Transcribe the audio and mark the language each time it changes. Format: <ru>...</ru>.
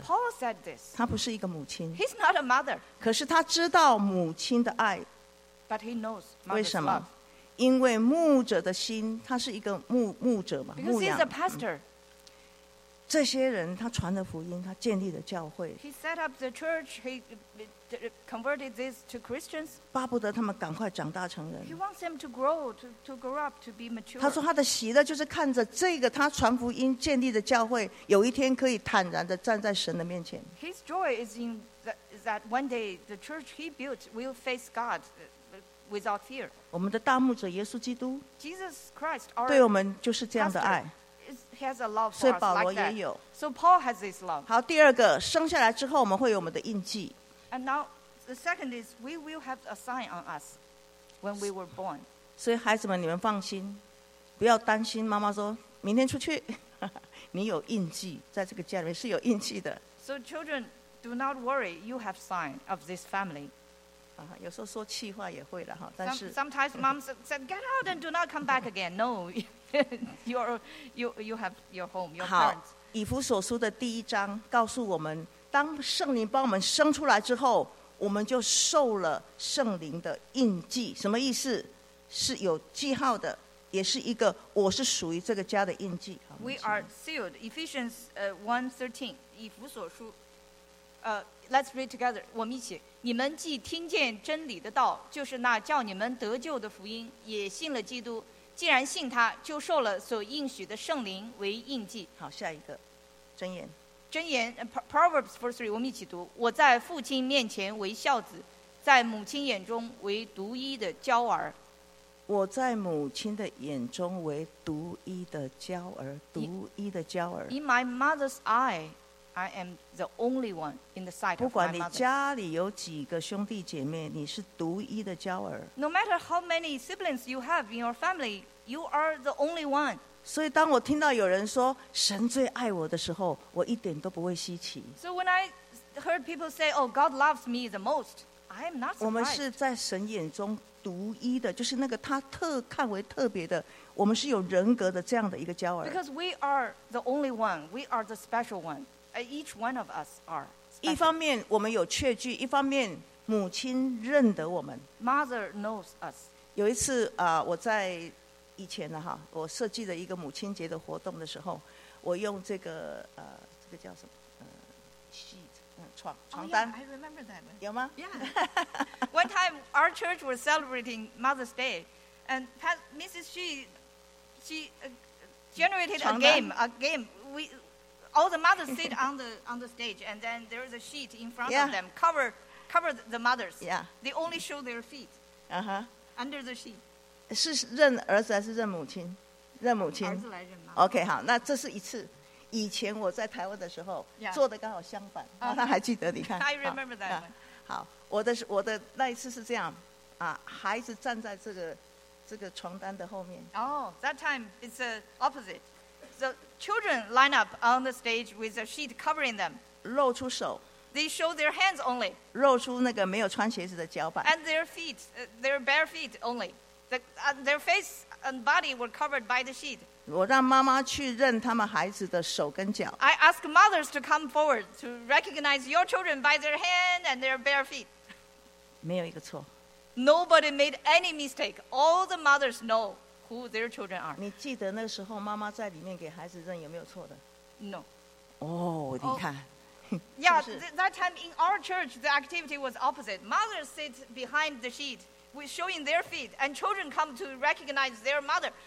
<en>Paul said this.</en> <zh>他不是一个母亲。</zh> <en>He's not a mother.</en> <zh>可是他知道母亲的爱。</zh> <en>But he knows mother's love.</en> <zh>为什么？因为牧者的心，他是一个牧者嘛，牧羊。</zh> <en>Because he's a pastor.</en> <zh>这些人他传的福音，他建立的教会，</zh> <en>he set up the church, he converted these to Christians.</en> <zh>巴不得他们赶快长大成人。</zh> <en>He wants them to grow, to grow up, to be mature.</en> <zh>他说他的喜乐就是看着这个他传福音建立的教会有一天可以坦然地站在神的面前。</zh> <en>His joy is in that one day the church he built will face God without fear.</en> <zh>我们的大牧者耶稣基督</zh> <en>Jesus Christ, our</en> <zh>对我们就是这样的爱</zh> <en>He has a love for</en> <zh>所以保罗也有、</zh> <en>like、So Paul has this love.</en> <zh>好，第二个，生下来之后我们会有我们的印记</zh> <en>And now the second is we will have a sign on us when we were born.</en> <zh>所以孩子们你们放心不要担心妈妈说明天出去你有印记在这个家里面是有印记的</zh> <en>So children, do not worry, you have sign of this family.</en> <zh>有时候说气话也会了但是</zh> <en>Sometimes mom said, get out and do not come back again. No, you have your home, your parents.</en> <zh>好，以弗所书的第一章告诉我们当圣灵帮我们生出来之后我们就受了圣灵的印记什么意思是有记号的也是一个我是属于这个家的印记</zh> <en>We are sealed Ephesians 1:13</en> <zh>以弗所书</zh> <en>Let's read together</en> <zh>我们一起你们既听见真理的道就是那叫你们得救的福音也信了基督既然信他就受了所应许的圣灵为印记好下一个箴言箴言 Proverbs 4:3 我们一起读我在父亲面前为孝子在母亲眼中为独一的娇儿我在母亲的眼中为独一的娇儿独一的娇儿</zh> <en>In my mother's eye I am the only one in the sight of my mother</en> <zh>不管你家里有几个兄弟姐妹你是独一的娇儿</zh> <en>No matter how many siblings you have in your family you are the only one</en> <zh>所以当我听到有人说神最爱我的时候我一点都不会稀奇</zh> <en>So when I heard people say oh God loves me the most I am not surprised</en> <zh>我们是在神眼中独一的就是那个他特看为特别的我们是有人格的这样的一个娇儿</zh> <en>Because we are the only one We are the special one Each one of us are、special.</en> <zh>一方面我们有确据一方面母亲认得我们</zh> <en>Mother knows us</en> <zh>有一次、我在以前呢哈我设计了一个母亲节的活动的时候我用这个这个叫什么床单、</zh> <en>oh, yeah, I remember that.</en> <zh>有吗</zh> <en>Yeah. One time our church was celebrating Mother's Day and Mrs. She generated a game we all the mothers sit on the stage and then there is a sheet in front、 yeah. of them cover the mothers、 yeah. they only show their feet、 uh-huh. under the sheet</en> <zh>是认儿子还是认母亲认母亲儿子来认妈 OK 好那这是一次以前我在台湾的时候、</zh> <en>yeah.</en> <zh>做的刚好相反那、还记得你看</zh> <en>I remember that、</en> <zh>好我的那一次是这样、孩子站在这个床单的后面</zh> <en>Oh, that time it's the opposite The children line up on the stage with a sheet covering them</en> <zh>露出手</zh> <en>They show their hands only</en> <zh>露出那个没有穿鞋子的脚板</zh> <en>And their feet, their bare feet only their face and body were covered by the sheet</en> <zh>我让妈妈去认他们孩子的手跟脚。</zh> <en>I ask mothers to come forward to recognize your children by their hand and their bare feet.</en> <zh>没有一个错。</zh> <en>Nobody made any mistake. All the mothers know who their children are.</en> <zh>你记得那时候妈妈在里面给孩子认有没有错的</zh> <en>？No.</en> <zh>哦、oh, ，你看。</zh> <en>Yeah, that time in our church, the activity was opposite. Mothers sit behind the sheet. We showing their feet, and children come to recognize their mother.</en>